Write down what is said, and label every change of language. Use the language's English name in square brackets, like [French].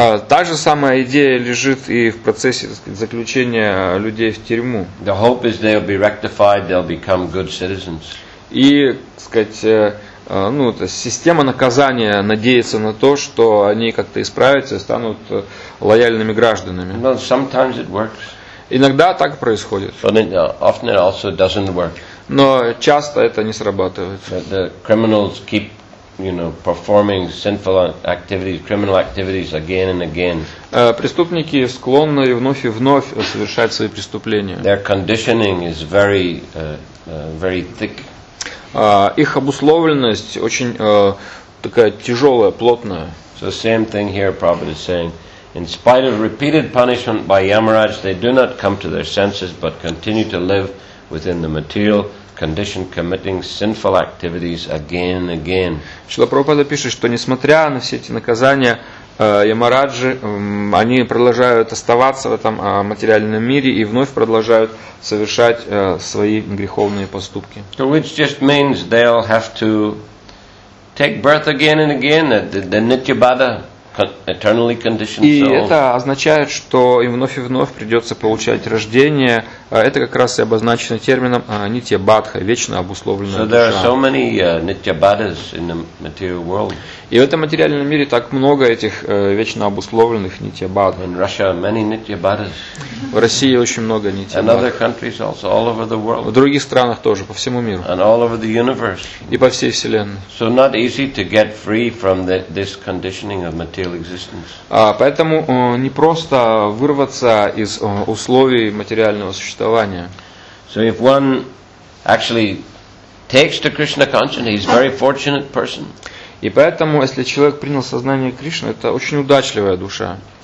[Russian] Та же самая идея лежит и в процессе заключения людей в тюрьму. [English] The hope is they'll be rectified, they'll become good citizens. [Russian] И, сказать, ну, то есть система наказания надеется на то, что они как-то исправятся и станут лояльными гражданами. [English] Well, sometimes it works. [Russian] Иногда так происходит. [English] But it, often it also doesn't work. [Russian] Но часто это не срабатывает. [English] The criminals keep, you know, performing sinful activities, criminal activities again and again. [Russian] Преступники склонны вновь и вновь совершать свои преступления. [English] Their conditioning is very, very thick. [Russian] Их обусловленность очень такая тяжелая, плотная. [English] So same thing here, Prabhupada is saying. In spite of repeated punishment by Yamaraj, they do not come to their senses, but continue to live within the material condition, committing sinful activities again and again. [Russian] Шрила Прабхупада пишет, что несмотря на все эти наказания, Ямараджи, они продолжают оставаться в этом материальном мире и вновь продолжают совершать свои греховные поступки. [English] So which just means they'll have to take birth again and again, the Nityabada. Eternally conditioned [Russian] и это означает, что им вновь и вновь придется получать рождение. Это как раз и обозначено термином нитья-бадха, вечно обусловленная душа. [English] So many, nitya-badhas in the material world. [Russian] И в этом материальном мире так много этих вечно обусловленных нитья-бадх. [English] In Russia, many nitya-badhas. [Russian] В России очень много нитья-бадх. [English] In other countries also, all over the world. [Russian] В других странах тоже, по всему миру. [English] And all over the universe. [Russian] И по всей вселенной. [English] So not easy to get free from this conditioning of material. [Russian] Поэтому не просто вырваться из условий материального существования. [English] So if one actually takes to Krishna consciousness, he's a very fortunate person. [Russian] И поэтому, если человек принял сознание Кришны, это очень удачливая душа.